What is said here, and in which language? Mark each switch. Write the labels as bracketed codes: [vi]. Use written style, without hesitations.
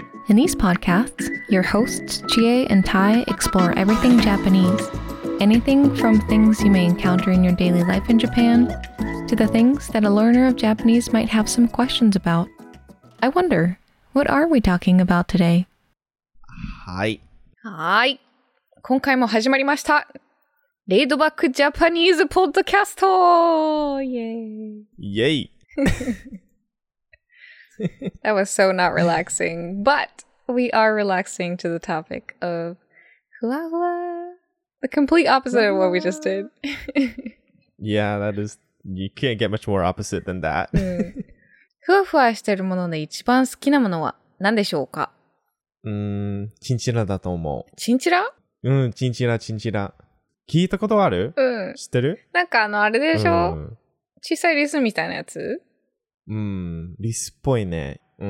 [en] In these podcasts, your hosts, Chie and Tai, explore everything Japanese. Anything from things you may encounter in your daily life in Japan, to the things that a learner of Japanese might have some questions about. I wonder, what are we talking about today? [ja] はい。今回も始まりました。レイドバックジャパニーズポッドキャスト、イエーイ。イエーイ。 [en] That was so not relaxing, but we are relaxing to the topic of hua hua. The complete opposite of what we just did. Yeah, that is, you can't get much more opposite than that. [ja] ふわふわしてるものの一番好きなものは何でしょうか？チンチラだと思う。チンチラ？チンチラ、チンチラ。聞いたことある？知ってる？なんかあれでしょ？小さいリスみたいなやつ？リスっぽいね。